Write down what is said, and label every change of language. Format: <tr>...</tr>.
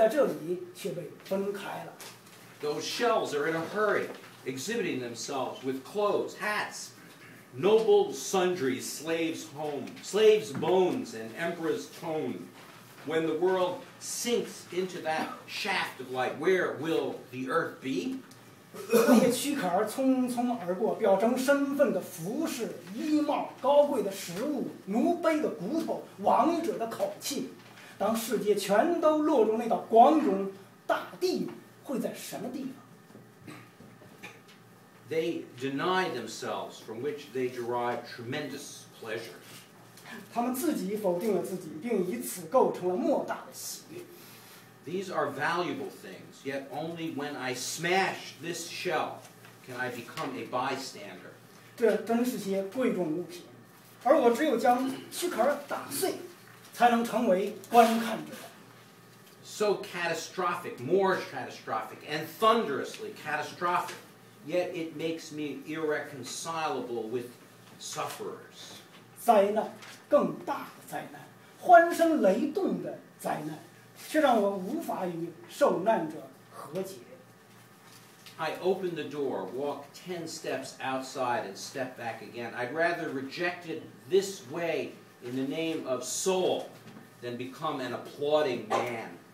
<zh>世界乐在其中,一步步朝向那水银的终点,光明的黑暗,意义无意义,但在这里却被分开了。</zh> <en>Those shells are in a hurry, exhibiting themselves with clothes, hats, noble sundries, slaves' home, slaves' bones, and emperor's tone. When the world sinks into that shaft of light, where will the earth be?</en> <zh>那些躯壳匆匆而过,表征身份的服饰,衣帽,高贵的食物,奴婢的骨头,王者的口气。当世界全都落入那道光中,大地会在什么地方?</zh> <en>They deny themselves from which they derive tremendous pleasure.</en> <zh>他们自己否定了自己,</zh> <en>the These are valuable things, yet only when I smash this shell can I become a bystander.</en> <zh>这都是些贵重物品, 而我只有将躯壳打碎, 才能成为观看者。</zh> <en>So catastrophic, more catastrophic, and thunderously catastrophic, yet it makes me irreconcilable with sufferers.</en> <zh>灾难,更大的灾难, 欢声雷动的灾难, 却让我无法与受难者和解。</zh> <en>I open the door, walk 10 steps outside, and step back again. I'd rather reject it this way in the name of soul than become an applauding man.</en>